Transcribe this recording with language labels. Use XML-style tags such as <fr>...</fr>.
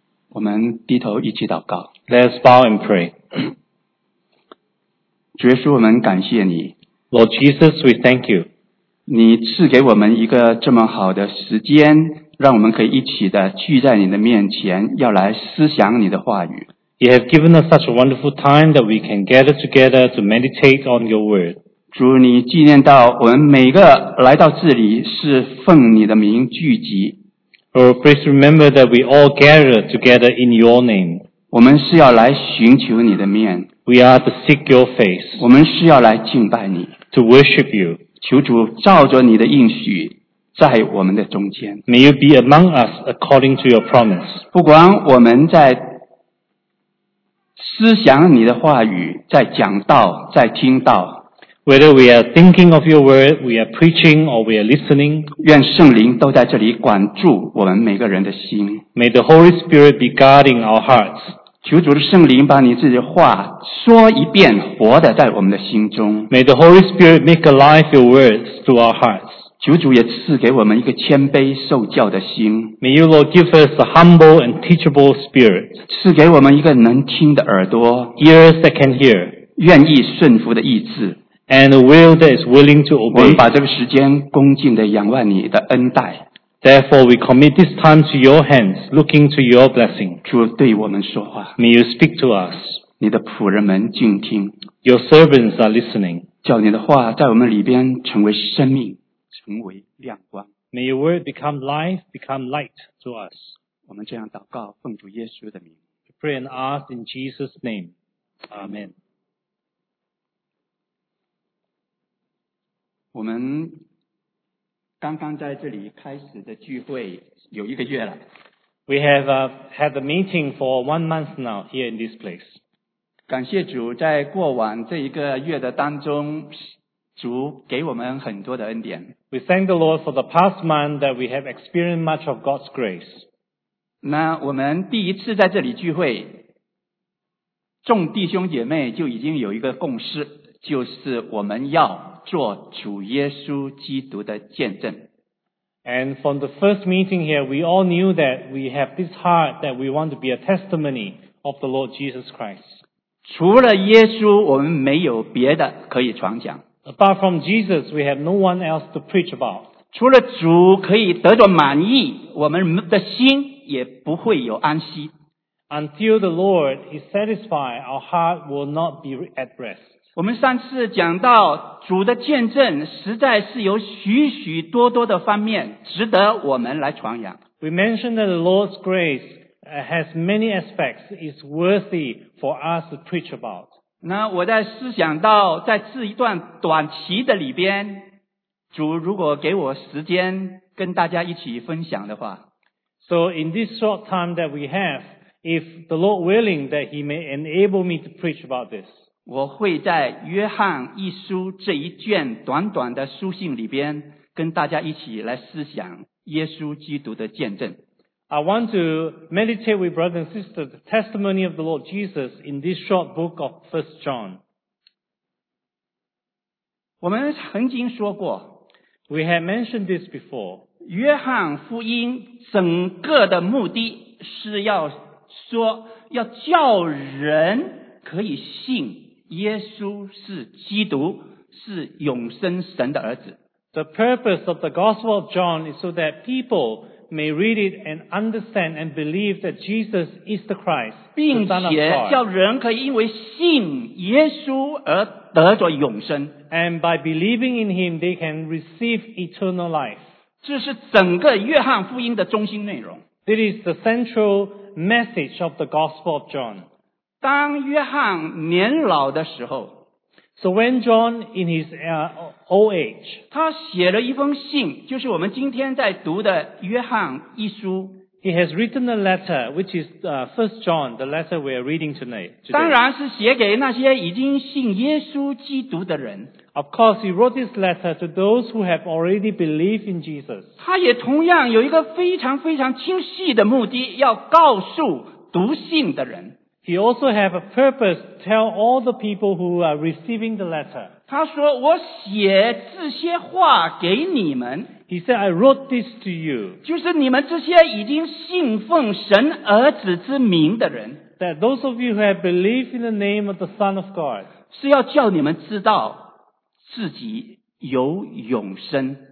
<zh>我们低头一起祷告。</zh> <en>Let's bow and pray.</en> <zh>主耶稣，我们感谢你。</zh> <en>Lord Jesus, we thank you.</en> <zh>你赐给我们一个这么好的时间，让我们可以一起的聚在你的面前，要来思想你的话语。</zh> <en>You have given us such a wonderful time that we can gather together to meditate on your word.</en> <zh>主，你纪念到我们每个来到这里是奉你的名聚集。</zh> <en>Lord, please remember that we all gather together in your name.</en> <zh>我们是要来寻求你的面。</zh> <en>We are to seek your face.</en> <zh>我们是要来敬拜你。</zh> <en>To worship you.</en> <zh>求主照着你的应许在我们的中间。</zh> <en>May you be among us according to your promise.</en> <zh>不管我们在思想你的话语，在讲道，在听道。</zh> <en>Whether we are thinking of your word, we are preaching, or we are listening,</en> <zh>愿圣灵都在这里管住我们每个人的心。</zh> <en>May the Holy Spirit be guarding our hearts.</en> <zh>求主的圣灵把你自己的话说一遍，活的在我们的心中。</zh> <en>May the Holy Spirit make alive your words to our hearts.</en> <zh>求主也赐给我们一个谦卑受教的心。</zh> <en>May you, Lord, give us a humble and teachable spirit.</en> <zh>赐给我们一个能听的耳朵。</zh> <en>Ears that can hear.</en> <zh>愿意顺服的意志。</zh> <en>And a will that is willing to obey.</en> <zh>我们把这个时间恭敬地仰望你的恩待。</zh> <en>Therefore, we commit this time to your hands, looking to your blessing.</en> <zh>主对我们说话。</zh> <en>May you speak to us.</en> <zh>你的仆人们静听。</zh> <en>Your servants are listening.</en> <zh>叫你的话在我们里边成为生命，成为亮光。</zh> <en>May your word become life, become light to us.</en> <zh>我们这样祷告，奉主耶稣的名。</zh> <en>We pray and ask in Jesus' name. Amen.</en> <zh>我们刚刚在这里开始的聚会有一个月了。</zh> <en>We have had a meeting for 1 month now here in this place.</en> <zh>感谢主，在过往这一个月的当中，主给我们很多的恩典。</zh> <en>We thank the Lord for the past month that we have experienced much of God's grace.</en> <zh>那我们第一次在这里聚会，众弟兄姐妹就已经有一个共识，就是我们要做主耶稣基督的见证。</zh> <en>And from the first meeting here, we all knew that we have this heart that we want to be a testimony of the Lord Jesus Christ.</en> <zh>除了耶稣，我们没有别的可以传讲。</zh> <en>Apart from Jesus, we have no one else to preach about.</en> <zh>除了主可以得着满意，我们的心也不会有安息。</zh> <en>Until the Lord is satisfied, our heart will not be at rest.</en> <zh>我们上次讲到主的见证实在是有许许多多的方面值得我们来传扬。</zh> <en>We mentioned that the Lord's grace has many aspects is worthy for us to preach about.</en> <zh>那我在思想到在这一段短期的里边，主如果给我时间跟大家一起分享的话。</zh> <en>So in this short time that we have,If the Lord willing that He may enable me to preach about this,</en> <zh>我会在约翰一书这一卷短短的书信里边跟大家一起来思想耶稣基督的见证。</zh> <en>I want to meditate with brothers and sisters the testimony of the Lord Jesus in this short book of 1 John.</en> <zh>我们曾经说过</zh> <en>We have mentioned this before.</en> <zh>约翰福音整个的目的是要说要叫人可以信耶稣是基督，是永生神的儿子。</zh> <en>The purpose of the Gospel of John is so that people may read it and understand and believe that Jesus is the Christ,</en> <zh>并且叫人可以因为信耶稣而得着永生。</zh> <en>And by believing in him, they can receive eternal life.</en> <zh>这是整个约翰福音的中心内容。</zh> <en>It is the central message of the Gospel of John.</en> <zh>当约翰年老的时候</zh> <en>So when John in his old age,</en> <zh>他写了一封信，就是我们今天在读的约翰一书。</zh> <en>He has written a letter, which is First John, the letter we are reading tonight.</en> <zh>当然是写给那些已经信耶稣基督的人。</zh> <en>Of course, he wrote this letter to those who have already believed in Jesus.</en> <zh>他也同样有一个非常非常清晰的目的，要告诉读信的人。</zh> <en>He also have a purpose to tell all the people who are receiving the letter.</en> <zh>他说，我写这些话给你们。</zh> <en>He said, I wrote this to you.</en> <zh>就是你们这些已经信奉神儿子之名的人。</zh> <en>That those of you who have believed in the name of the Son of God.</en> <zh>是要叫你们知道自己有永生。</zh>